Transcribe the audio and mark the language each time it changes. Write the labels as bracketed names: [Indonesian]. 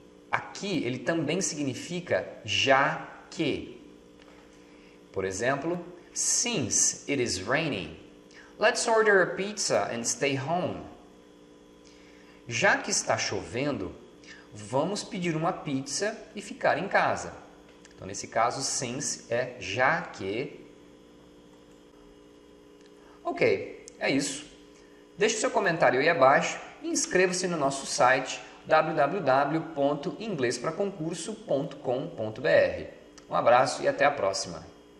[Portuguese] Aqui ele também significa já. Que, por exemplo, [English] since it is raining, let's order a pizza and stay home. [Portuguese] Já que está chovendo, vamos pedir uma pizza e ficar em casa. Então, nesse caso, since é já que. Ok, é isso. Deixe seu comentário aí abaixo e inscreva-se no nosso site www.inglesparaconcurso.com.br. Um abraço e até a próxima!